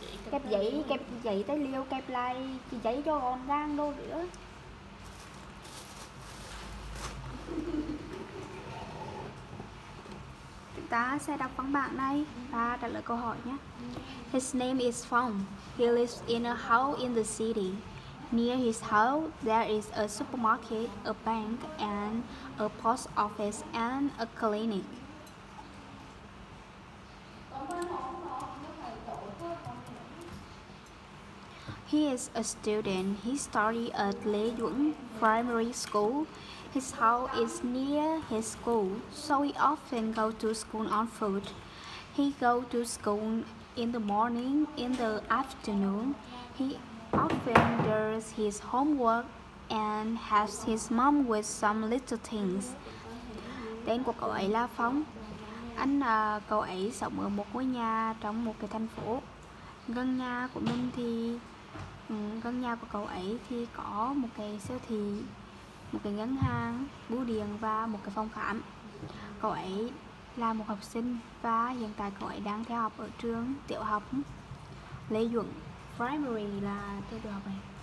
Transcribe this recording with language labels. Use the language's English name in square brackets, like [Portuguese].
[Vietnamese] Kẹp giấy, kẹp giấy tay liều, kẹp lại cái giấy cho gòn gàng đồ rửa. Ta sẽ đọc văn bản này và trả lời câu hỏi nhé. [English] His name is Fong. He lives in a house in the city. Near his house, there is a supermarket, a bank, and a post office and a clinic. He is a student. He studied at Lê Duẩn Primary School. His house is near his school, so he often goes to school on foot. He goes to school in the morning, in the afternoon. He often does his homework and helps his mom with some little things. [Vietnamese] Tên của cậu ấy là Phong. Anh cậu ấy sống ở một ngôi nhà trong một cái thành phố. Gần nhà của mình thì gần nhà của cậu ấy thì có một cái siêu thị, một cái ngân hàng, bưu điện và một cái phòng khám. Cậu ấy là một học sinh và hiện tại cậu ấy đang theo học ở trường tiểu học Lê Duẩn Primary là trường tiểu học này.